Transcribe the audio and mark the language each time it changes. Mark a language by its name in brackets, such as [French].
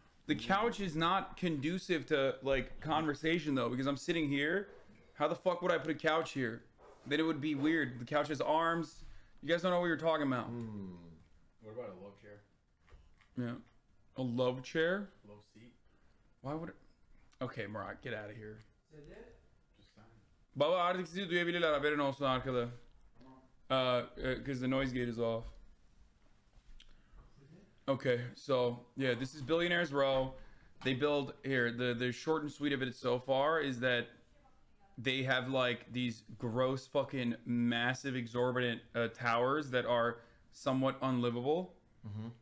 [English] The couch is not conducive to, like, conversation, though, because I'm sitting here. How the fuck would I put a couch here? Then it would be weird. The couch has arms. You guys don't know what you're talking about. What about a love chair? Yeah. A love chair? Love seat? Why would it... Okay, Marat, get out of here. Is that it? Just fine. [Turkish] Baba, artık sizi duyabilirler, haberin olsun arkada. [English] Because the noise gate is off. Okay, so, yeah, this is Billionaire's Row. They build, here, the short and sweet of it so far is that they have, like, these gross fucking massive exorbitant towers that are somewhat unlivable. Mm-hmm.